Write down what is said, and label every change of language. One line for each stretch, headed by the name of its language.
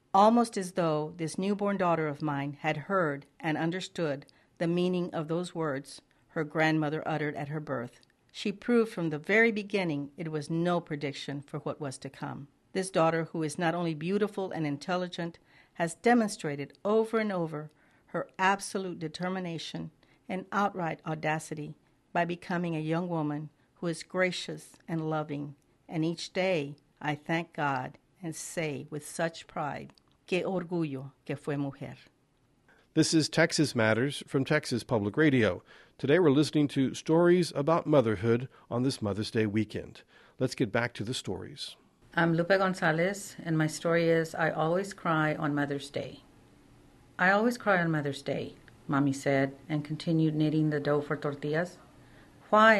English: Almost as though this newborn daughter of mine had heard and understood the meaning of those words her grandmother uttered at her birth, she proved from the very beginning it was no prediction for what was to come. This daughter, who is not only beautiful and intelligent, has demonstrated over and over her absolute determination and outright audacity by becoming a young woman who is gracious and loving. And each day I thank God and say with such pride,
Spanish: qué orgullo que fue mujer.
English: This is Texas Matters from Texas Public Radio. Today we're listening to stories about motherhood on this Mother's Day weekend. Let's get back to the stories. I'm Lupe Gonzalez, and my story is I Always Cry on Mother's Day. I always cry on Mother's Day, Mommy said, and continued knitting the dough for tortillas. Why?